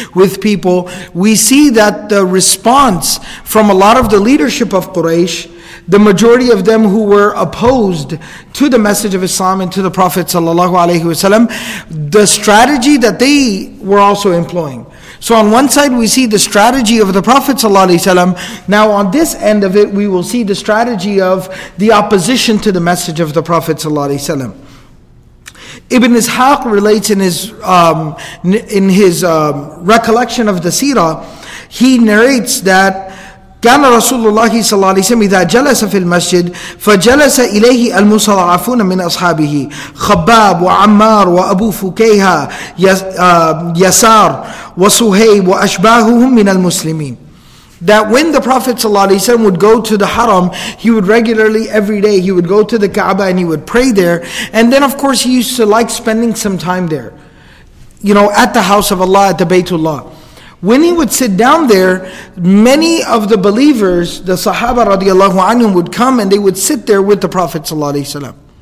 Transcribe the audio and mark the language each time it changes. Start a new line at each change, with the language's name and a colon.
English: with people, we see that the response from a lot of the leadership of Quraysh, the majority of them who were opposed to the message of Islam and to the Prophet ﷺ, the strategy that they were also employing. So on one side we see the strategy of the Prophet ﷺ. Now on this end of it we will see the strategy of the opposition to the message of the Prophet ﷺ. Ibn Ishaq relates in his recollection of the Sīrah, he narrates that
Arabic: كان رسول الله صلى الله عليه وسلم إذا جلس في المسجد فجلس إليه المستضعفون من أصحابه خباب وعمار وأبو فكيهة يسار وصهيب وأشباههم من المسلمين.
English: That when the Prophet ﷺ would go to the Haram, he would regularly, every day, he would go to the Kaaba and he would pray there. And then of course he used to like spending some time there, you know, at the house of Allah, at the Baytullah. When he would sit down there, many of the believers, the Sahaba radiallahu anhum, would come and they would sit there with the Prophet ﷺ.